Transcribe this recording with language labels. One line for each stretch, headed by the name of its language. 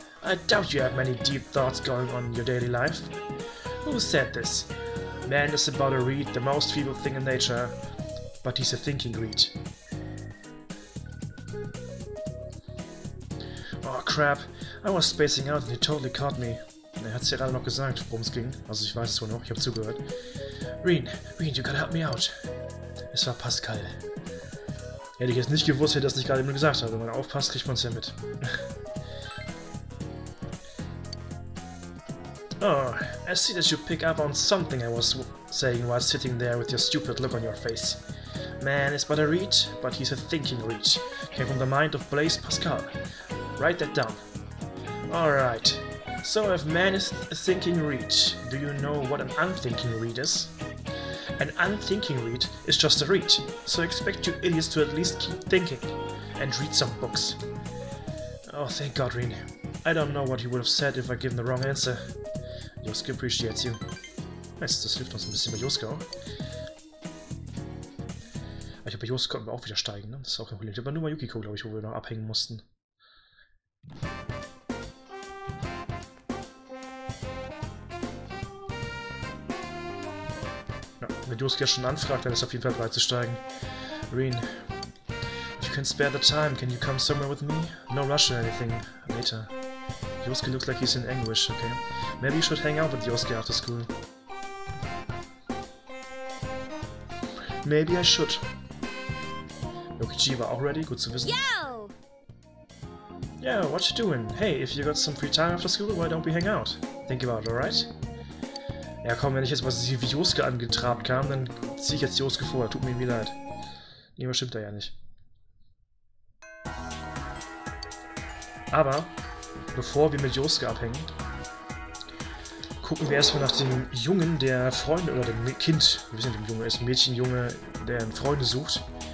English: I doubt you have many deep thoughts going on in your daily life. Who said this? Man is but a reed, the most feeble thing in nature, but he's a thinking reed. Crap, I was spacing out and he totally caught me.
German: Er hat's ja gerade noch gesagt, worum es ging. Also ich weiß es wohl noch, ich habe zugehört.
English: Rin, you gotta help me out.
German: Es war Pascal. Hätte ich jetzt nicht gewusst, hätte ich das nicht gerade eben gesagt. Aber wenn man aufpasst, kriegt man's ja mit.
English: Oh, I see that you pick up on something I was saying while sitting there with your stupid look on your face. Man is but a reed, but he's a thinking reed. Came from the mind of Blaise Pascal. Write that down. Alright. So if man is a thinking reed, do you know what an unthinking reed is? An unthinking reed is just a reed. So I expect you idiots to at least keep thinking and read some books. Oh, thank God, Rin. I don't know what he would have said if I'd given the wrong answer. Yosuke appreciates you.
German: Das hilft uns ein bisschen bei Yosuke. Ich glaube, bei Yosuke konnten wir auch wieder steigen. Ne? Das ist auch kein Problem. Aber nur bei Yukiko, glaube ich, wo wir noch abhängen mussten. Ja, wenn Yosuke schon anfragt, dann ist auf jeden Fall bereit zu steigen.
English: Rin, if you can spare the time, can you come somewhere with me? No rush or anything. Later. Yosuke looks like he's in anguish, okay? Maybe you should hang out with Yosuke after school. Maybe I should.
German: Yokichi war auch ready, gut zu wissen.
English: Yeah, what you doing? Hey, if you got some free time after school, why don't we hang out? Think about it, alright?
German: Ja komm, wenn ich jetzt mal sie wie Yosuke angetrabt kam, dann zieh ich jetzt Yosuke vor. Tut mir irgendwie leid. Nee, was stimmt da ja nicht. Aber, bevor wir mit Yosuke abhängen, gucken wir erstmal nach dem Jungen, der Freunde, oder dem Kind, wir wissen nicht, dem Junge ist, Mädchenjunge, der einen Freunde sucht.